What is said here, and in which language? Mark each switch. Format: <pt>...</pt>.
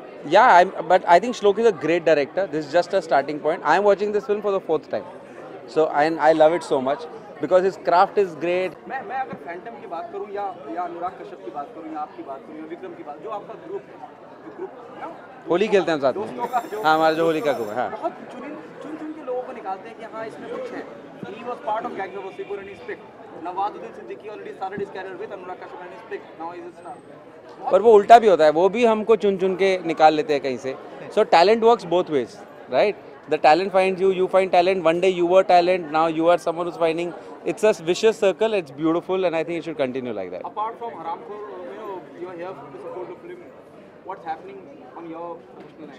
<en>Yeah, but I think Shlok is a great director. This is just a starting point. I am watching this film for the fourth time, so and I love it so much because his craft is great.</en> <hi>मैं अगर Phantom की बात करूं या अनुराग कश्यप की बात करूं या आपकी बात करूं या विक्रम की बात, जो आपका group होली खेलते हैं साथ में, हाँ हमारा जो होली का group है, हाँ बहुत चुन-चुन के लोगों को निकालते हैं कि हाँ इसमें कुछ है.</hi> <en>He was part of gang of Wasseypur and he's big. Nawazuddin Siddiqui already started his career with Anurag Kashyap and he's big. Now he's a star.</en> <hi>पर वो उल्टा भी होता है, वो भी हमको चुन चुन के निकाल लेते हैं कहीं से.</hi> <en>So talent works both ways, right? The talent find you, you find talent. One day you were talent, now you are someone who's finding. It's a vicious circle, it's beautiful, and I think it should continue like that. Apart from Haramkhor, you are here to support the film, what's happening on your professional</en>